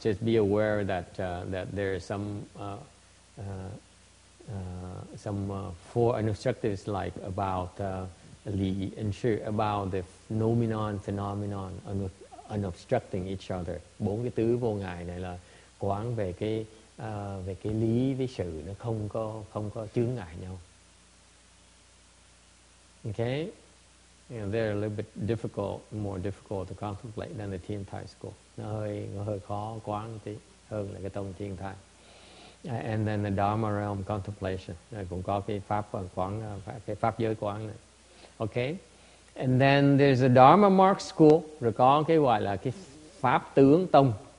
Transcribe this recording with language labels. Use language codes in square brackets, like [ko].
[en] Just be aware that there is some four instructives like about li and shi, about the noumenon phenomenon unobstructing each other. [vi] Bốn cái tứ vô ngại này là quán về cái lý với sự nó không có chướng ngại nhau. [en] Okay, you know, they're a little bit more difficult to contemplate than the Thiên Thai school. [vi] Nó hơi khó quán tí hơn là cái tông Thiên Thai. [en] And then the Dharma realm contemplation. [vi] Cũng có cái pháp quán, cái pháp giới quán này. Okay. [en] And then there's a Dharma mark school. [vi] Rồi có cái gọi là cái pháp tướng tông.